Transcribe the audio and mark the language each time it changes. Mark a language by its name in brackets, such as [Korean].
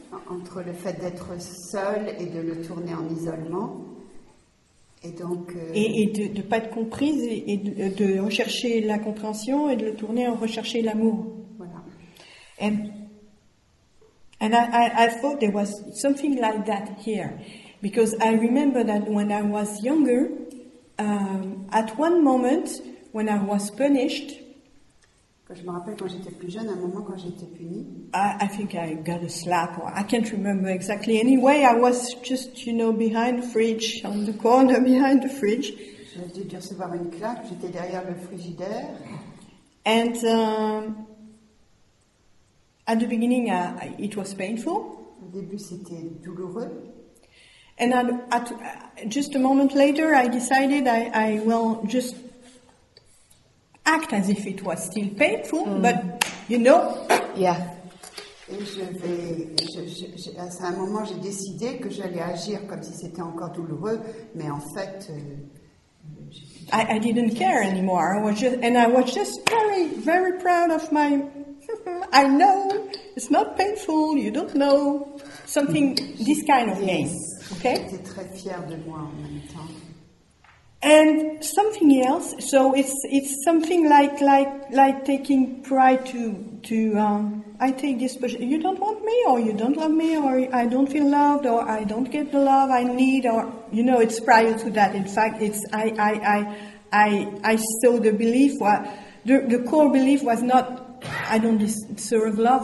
[French] Entre le fait d'être seul et de le tourner en isolement, et donc et de ne pas être comprise et de rechercher la compréhension et de le tourner en rechercher l'amour. Voilà. [English] And I thought there was something like that here, because I remember that when I was younger, at one moment when I was punished. [French] Je me rappelle quand j'étais plus jeune, à un moment quand j'étais punie. [English] I think I got a slap, or I can't remember exactly. Anyway, I was just, you know, behind the fridge, on the corner behind the fridge. [French] Je J'ai dû recevoir une claque, j'étais derrière le frigidaire. [English] And at the beginning, it was painful. [French] Au début, c'était douloureux. [English] And just a moment later, I decided I will just act as if it was still painful, but you know. Yeah. [French] Et à un moment, j'ai décidé que j'allais agir comme si c'était encore douloureux, mais en fait. [English] I didn't care anymore. I was just very, very proud of my. I know it's not painful. You don't know something. This kind of game. Okay. [French] J'étais très fière de moi en même temps. [English] And something else. So it's something like taking pride to I take this position. You don't want me, or you don't love me, or I don't feel loved, or I don't get the love I need, or you know, it's prior to that. In fact, it's I saw the belief was the core belief was not I don't deserve love.